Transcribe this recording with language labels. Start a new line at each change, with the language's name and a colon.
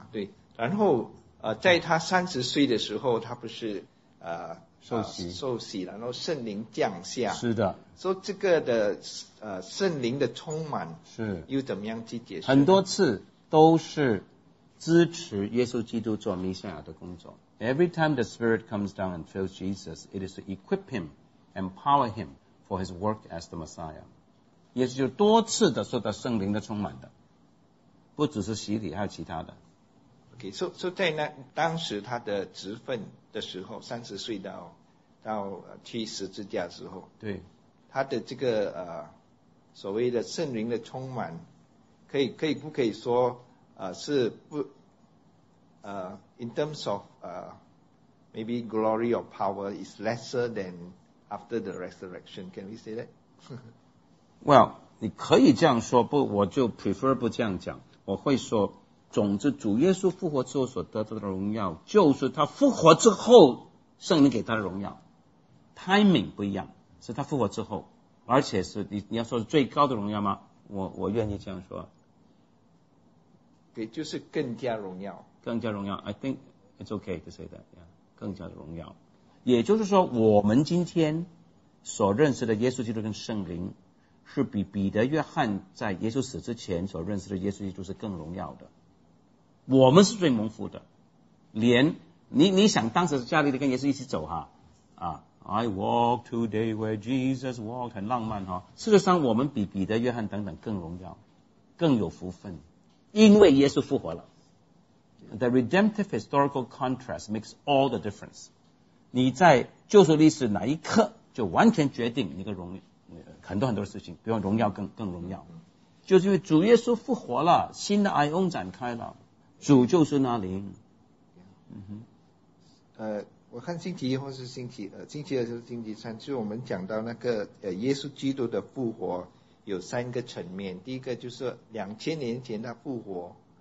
Chinese: 对，然后。在他30岁的时候，他不是受洗，然后圣灵降下。是的，说这个的圣灵的充满是又怎么样去解释？很多次都是支持耶稣基督做弥赛亚的工作。
English: Every time the Spirit comes down and fills Jesus, it is to equip him, empower him for his work as the Messiah.
Chinese: 也是有多次的受到圣灵的充满的，不只是洗礼，还有其他的。所以在那当时他的职分的时候，30岁到去十字架的时候，对他的这个所谓的圣灵的充满，可以不可以说是不
English: in terms of maybe glory or power is lesser than after the resurrection? Can we say that?
Chinese: Well, 你可以这样说，不，我就 prefer 不这样讲，我会说。总之主耶稣复活之后所得到的荣耀，就是他复活之后圣灵给他的荣耀。 timing 不一样，是他复活之后。而且是你要说是最高的荣耀吗？我愿意这样说。对，就是更加荣耀。更加荣耀 ，
English: I think it's okay to say that， yeah，
Chinese: 更加的荣耀。也就是说，我们今天所认识的耶稣基督跟圣灵，是比彼得、约翰在耶稣死之前所认识的耶稣基督是更荣耀的。我们是最蒙福的，连你想当时家里的跟耶稣一起走哈啊 ，
English: I walk today where Jesus walked，
Chinese: 很浪漫哈。事实上，我们比彼得、约翰等等更荣耀，更有福分，因为耶稣复活了。
English: The redemptive historical contrast makes all the difference.
Chinese: 你在救赎历史哪一刻就完全决定你的荣耀，很多很多事情，比如荣耀更荣耀，就是因为主耶稣复活了，新的 Ion 展开了，主就是那灵。我看星期一或是星期二，星期二就是星期三，就我们讲到那个耶稣基督的复活有三个层面，第一个就是2000年前他复活。